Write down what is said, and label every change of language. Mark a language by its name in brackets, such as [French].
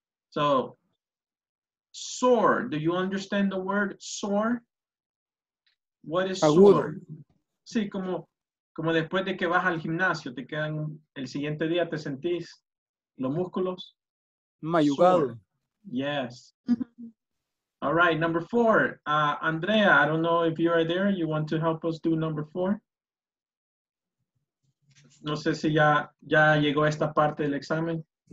[English] So, sore. Do you understand the word sore? What is sore? [Spanish] Sí, como después de que vas al gimnasio, te quedan el siguiente día, te sentís los músculos. Mayugado. [English] Yes. All right, number four. Andrea, I don't know if you are there. You want to help us do number four? [Spanish] No sé si ya llegó esta parte del examen.